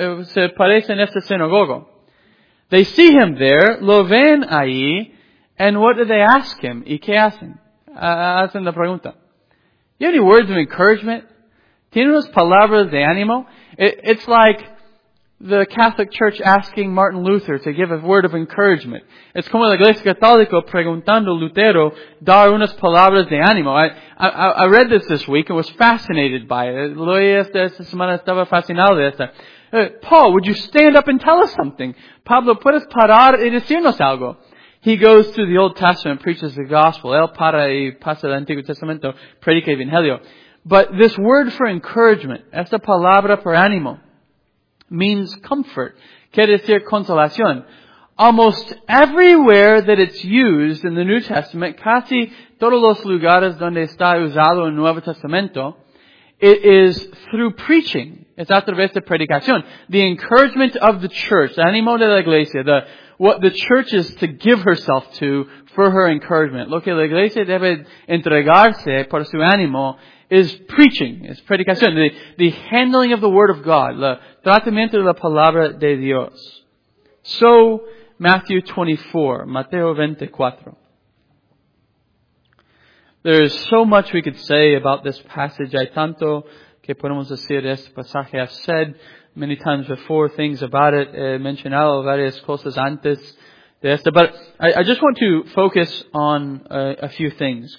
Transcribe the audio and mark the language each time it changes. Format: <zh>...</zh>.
<es>Se aparece en este sinagogo.</es> <en>They see him there,</en> <es>lo ven ahí,</es> <en>and what do they ask him?</en> <es>¿Y qué hacen? Hacen la pregunta.</es> <en>You have any words of encouragement?</en> <es>¿Tiene unas palabras de ánimo?</es> <en>It's like the Catholic Church asking Martin Luther to give a word of encouragement.</en> <es>Es como la Iglesia Católica preguntando a Lutero dar unas palabras de ánimo.</es> <en>I read this week and was fascinated by it.</en> <es>Lo he esta semana estaba fascinado de esta.</es> <en>Paul, would you stand up and tell us something?</en> <es>Pablo, ¿puedes parar y decirnos algo?</es> <en>He goes to the Old Testament, preaches the Gospel.</en> <es>Él para y pasa el Antiguo Testamento, predica el Evangelio.</es> <en>But this word for encouragement,</en> <es>esta palabra por ánimo,</es> <en>means comfort.</en> <es>Quiere decir consolación.</es> <en>Almost everywhere that it's used in the New Testament,</en> <es>casi todos los lugares donde está usado en Nuevo Testamento,</es> <en>it is through preaching.</en> <es>Es a través de predicación.</es> <en>The encouragement of the church, the</en> <es>ánimo de la iglesia,</es> <en>what the church is to give herself to for her encouragement.</en> <es>Lo que la iglesia debe entregarse por su ánimo</es> <en>is preaching,</en> <es>is predicación,</es> <en>the handling of the Word of God,</en> <es>el tratamiento de la palabra de Dios.</es> <en>So, Matthew 24, Mateo 24. There is so much we could say about this passage.</en> <es>Hay tanto que podemos decir de este pasaje.</es> <en>I've said many times before things about it.</en> <es>He mencionado varias cosas antes de esto.</es> <en>But I just want to focus on a few things.</en>